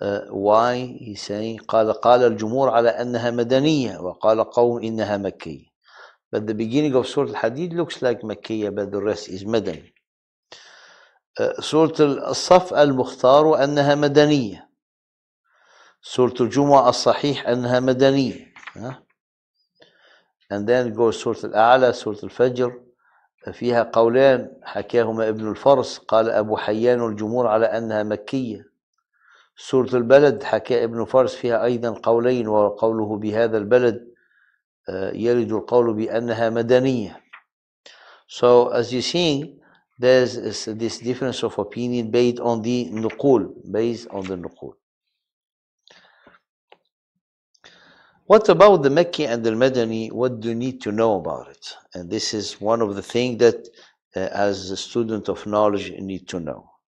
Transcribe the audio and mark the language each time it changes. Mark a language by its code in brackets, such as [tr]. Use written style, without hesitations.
[en] Why he's saying [ar] قَالَ الْجُمُورَ عَلَىٰ أَنَّهَا مَدَنِيَّةَ وَقَالَ قَوْمُ إِنَّهَا مَكِّيَّةَ. [en] But the beginning of Surah Al-Hadid looks like Makkiyah, but the rest is Madani. [ar] Surah Al-Saf Al-Mukhtar, أنها مدنية. Surah Al-Jumu'ah Al-Sahih, أنها مدنية. [en] And then goes Surah Al-A'la, Surah Al-Fajr. [ar] فيها قولان حكاهما ابن الفرس قال أبو حيان الجمهور على أنها مكية. Surah Al-Balad حكى ابن الفرس فيها أيضا قولين وقوله بهذا البلد يلد القول بأنها مدنية. [en] So as you see, there's this difference of opinion based on the نقول, based on the نقول. What about the Mecca and the Madani? What do you need to know about it? And this is one of the things that as a student of knowledge you need to know.